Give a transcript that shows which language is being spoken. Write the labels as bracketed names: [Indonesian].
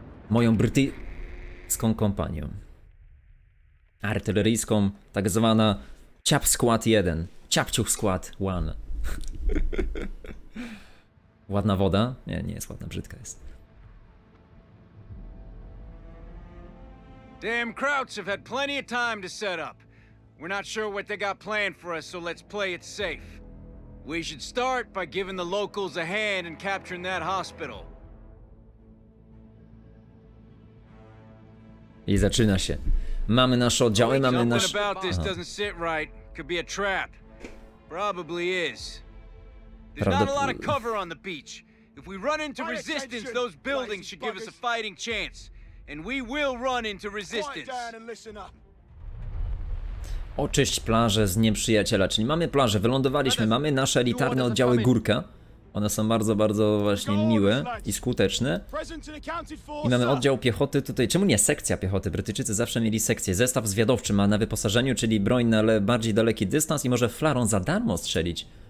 [Polish] Moją brytyjską kompanią. Artyleryjską, tak zwana Ciap Squad 1. Ciapciuch Squad 1. Ładna woda? Nie, nie jest ładna, brzydka jest. [English] Damn Krauts have had plenty of time to set up. We're not sure what they got planned for us, so let's play it safe. We should start by giving the locals a hand in capturing that hospital. [Polish] I zaczyna się. Mamy nasze oddziały, mamy nasz... [English] about this doesn't sit right. Could be a trap. Probably is. There's not a lot of cover on the beach. If we run into resistance, those buildings should give us a fighting chance. And we will run into resistance. [Polish] Oczyść plażę z nieprzyjaciela. Czyli mamy plażę, wylądowaliśmy, mamy nasze elitarne oddziały Górka. One są bardzo, bardzo właśnie miłe i skuteczne. I mamy oddział piechoty tutaj. Czemu nie sekcja piechoty? Brytyjczycy zawsze mieli sekcję. Zestaw zwiadowczy ma na wyposażeniu, czyli broń na bardziej daleki dystans i może flarą za darmo strzelić.